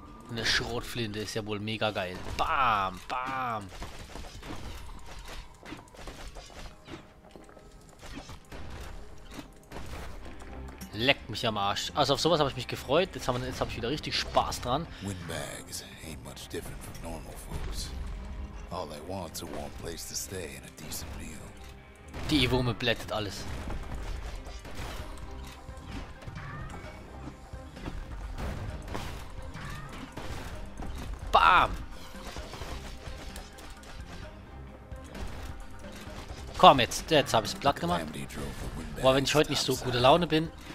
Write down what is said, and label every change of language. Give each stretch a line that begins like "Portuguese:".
German: Eine Schrotflinte ist ja wohl mega geil. Bam, bam. Leck mich am Arsch. Also auf sowas habe ich mich gefreut. Jetzt habe ich wieder richtig Spaß dran.
English: Windbags ain't much different from normal folks. All they want's a warm place to stay and a decent meal.
German: Die Wurme blättet alles. Bam! Komm jetzt habe ich es platt gemacht. Boah, wenn ich heute nicht so gute Laune bin.